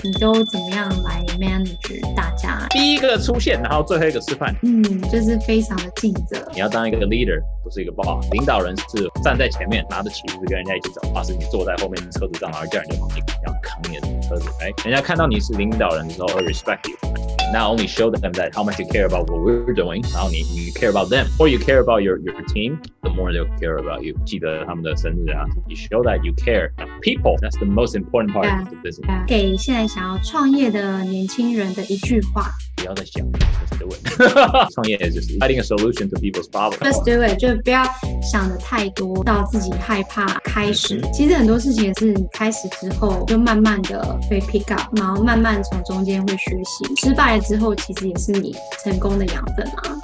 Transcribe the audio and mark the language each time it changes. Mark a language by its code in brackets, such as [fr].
[zh] 你都怎么样来 manage 大家？第一个出现，然后最后一个吃饭。就是非常的尽责。你要当一个 leader， 不是一个 boss， 领导人是站在前面拿着旗子跟人家一起走，而是你坐在后面车子上，然后叫人家往里要扛你的车子。哎，人家看到你是领导人的时候会 respect you。 [en] Not only show them that how much you care about what we're doing，然后你 care about them， or you care about your team， the more they'll care about you。记得他们的生日啊， you show that you care people， that's the most important part of the business。 [zh] 给现在想要创业的年轻人的一句话，不要再想，创业就是 finding a solution to people's problems。 Just do it，就不要想的太多到自己害怕开始。其实很多事情也是你开始之后就慢慢的被 pick up， 然后慢慢从中间会学习，失败之后其实也是你成功的养分啊。